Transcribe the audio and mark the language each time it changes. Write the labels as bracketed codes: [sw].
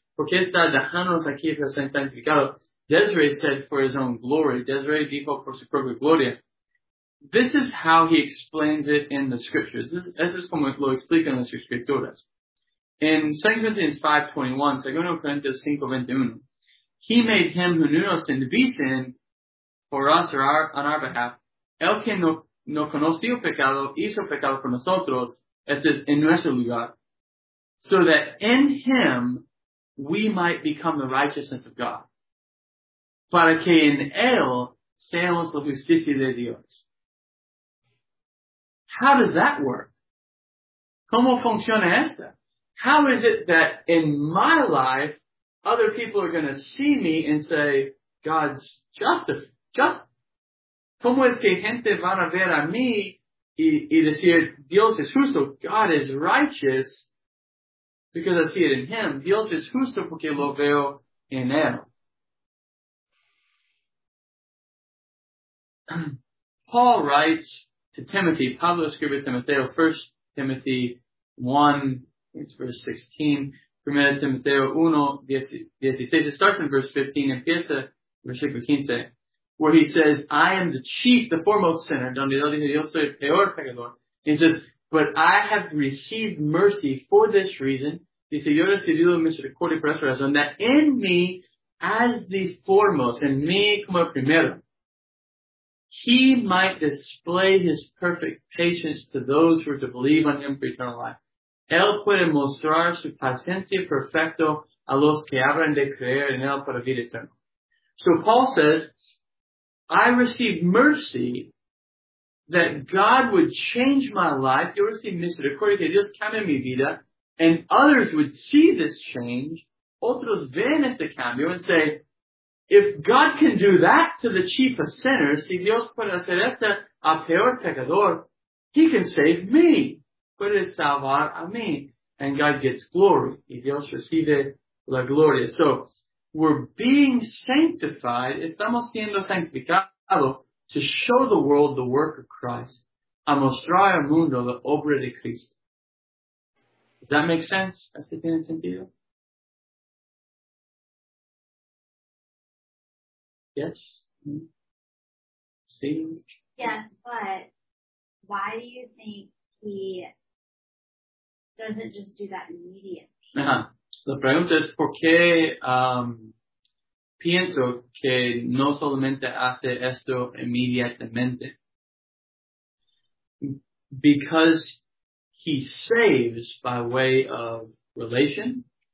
[es] ¿Por qué está dejándonos aquí para ser sanctificado? [en] Desiree said for his own glory. [es] Desiree dijo por su propia gloria. [en] This is how he explains it in the scriptures. This is [es] como lo explica en las escrituras. [en] In 2 Corinthians 5:21, 2 Corinthians 5:21, he made him who knew no sin to be sin por us or our, on our behalf. [es] El que no, no conoció pecado hizo pecado por nosotros. Este es en nuestro lugar. [en] So that in him we might become the righteousness of God. [es] Para que en él seamos la justicia de Dios. [en] How does that work? [es] ¿Cómo funciona esta? [en] How is it that in my life, other people are going to see me and say, God's just? [es] ¿Cómo es que gente van a ver a mí y decir, Dios es justo? [en] God is righteous because I see it in him. [es] Dios es justo porque lo veo en él. [en] Paul writes to Timothy, [es] Pablo escribe a Timoteo, [en] 1 Timothy 1, it's verse 16, 1 Timoteo 1, 16, it starts in verse 15, [es] empieza versículo 15, [en] where he says, I am the chief, the foremost sinner, [es] donde yo dije, yo soy el peor pecador. [en] He says, but I have received mercy for this reason, [es] dice, yo he recibido misericordia por esta razón, [en] that in me, as the foremost, [es] en mí como el primero, [en] he might display his perfect patience to those who are to believe on him for eternal life. [es] Él puede mostrar su paciencia perfecto a los que habrán de creer en él para vida eterna. [en] So Paul says, I received mercy that God would change my life. [es] Yo recibí misericordia que Dios cambie mi vida. [en] And others would see this change. [es] Otros ven este cambio [en] and say, if God can do that to the chief of sinners, [es] si Dios puede hacer esto a peor pecador, [en] he can save me. [es] Puede salvar a mí. [en] And God gets glory. [es] Y Dios recibe la gloria. [en] So, we're being sanctified. [es] Estamos siendo sanctificados [en] to show the world the work of Christ. [es] A mostrar al mundo la obra de Cristo. [en] Does that make sense? [es] ¿Así tiene sentido? [en] Yes. See. Yes, but why do you think he doesn't just do that immediately? Uh-huh. [es] La pregunta es por qué pienso que no solamente hace esto inmediatamente. [en] Because he saves by way of relation.